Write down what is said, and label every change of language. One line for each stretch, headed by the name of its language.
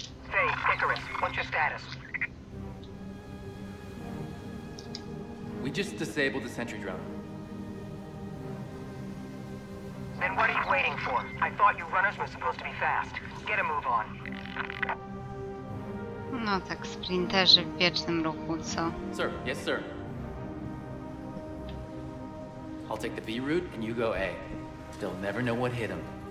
English: Hey, Icarus, what's your status? We just disabled the sentry drone. Then what are you waiting for? I thought you runners were supposed to be fast. Get a move on.
Polish: No tak, sprinterzy w wiecznym ruchu, co?
English: Sir, yes sir. I'll take the B route and you go A. They'll never know what hit them.